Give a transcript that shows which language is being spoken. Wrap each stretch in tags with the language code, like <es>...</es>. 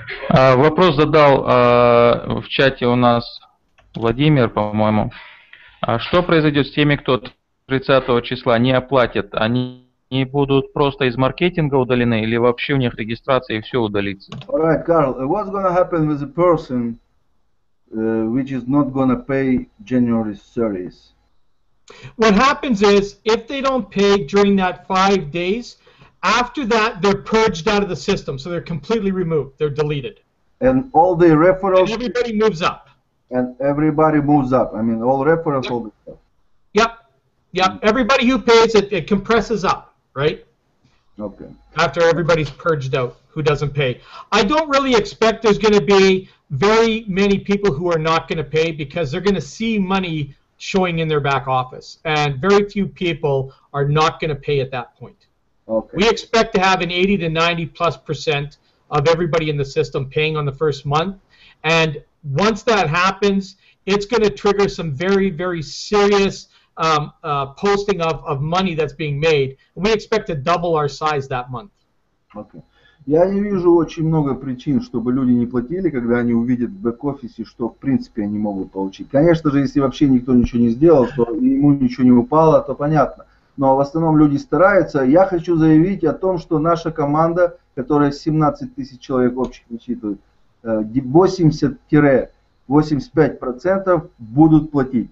<ru>Вопрос задал в чате у нас Владимир, по-моему. А что произойдет с теми, кто 30 числа не оплатит? Они не будут просто из маркетинга удалены или вообще у них регистрация и все удалится?</ru> <en>All right, Carl. What's going to happen with a person which is not going to pay January 30th? What happens is, if they don't pay during that 5 days, after that they're purged out of the system, so they're completely removed, they're deleted. And all the referrals... And everybody moves up. And everybody moves up. I mean, all referrals, yep. All the stuff. Yep. Yep. Everybody who pays, it compresses up, right? Okay. After everybody's purged out who doesn't pay. I don't really expect there's going to be very many people who are not going to pay because they're going to see money showing in their back office. And very few people are not going to pay at that point. Okay. We expect to have an 80 to 90 plus percent of everybody in the system paying on the first month. And once that happens, it's going to trigger some very, very serious posting of money that's being made. We expect to double our size that month. Okay.</en> <ru>Я не вижу очень много причин, чтобы люди не платили, когда они увидят в бэк-офисе, что в принципе они могут получить. Конечно же, если вообще никто ничего не сделал, то ему ничего не упало, то понятно. Но в основном люди стараются. Я хочу заявить о том, что наша команда, которая 17 тысяч человек общих насчитывает, 80-85% будут платить.</ru>